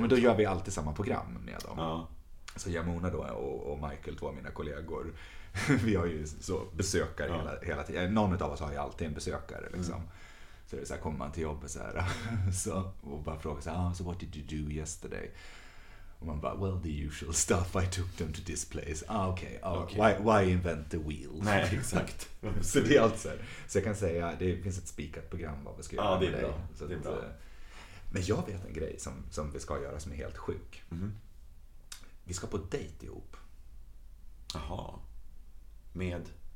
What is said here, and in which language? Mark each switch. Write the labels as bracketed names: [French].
[Swedish] Men då gör vi alltid samma program med dem. Ja. Så Jamona då och Michael, två av mina kollegor, vi har ju så besökare hela tiden. Någon av oss har ju alltid en besökare liksom. Mm. Så det är så här, kommer man till jobbet så här, så, och bara frågar så här, [English] what did you do yesterday? [Swedish] Och man bara, [English] well, the usual stuff, I took them to this place. Why invent the wheel? [Swedish] Nej, exakt. Så det är allt så här. Så jag kan säga, det finns ett spikat program vad vi ska göra. Ja, det är bra. Så det är bra. Men jag vet en grej som vi ska göra som är helt sjuk. Mm-hmm. Vi ska på dejt ihop. Aha. Med?